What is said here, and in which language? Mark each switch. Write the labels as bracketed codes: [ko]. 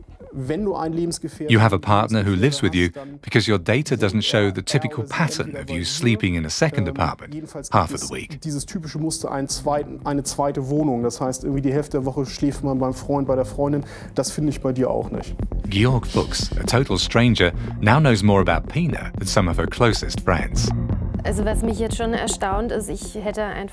[en] You have a partner who lives with you because your data doesn't show the typical pattern of you sleeping in a second apartment half of the week. [de] Dieses typische Muster eine zweite Wohnung, das heißt irgendwie die Hälfte der Woche schläft man beim Freund, bei der Freundin, das finde ich bei dir auch nicht. [en] Georg Fuchs, a total stranger, now knows more about Pina than some of her closest friends. [de] Also was mich jetzt schon erstaunt ist, ich hätte einfach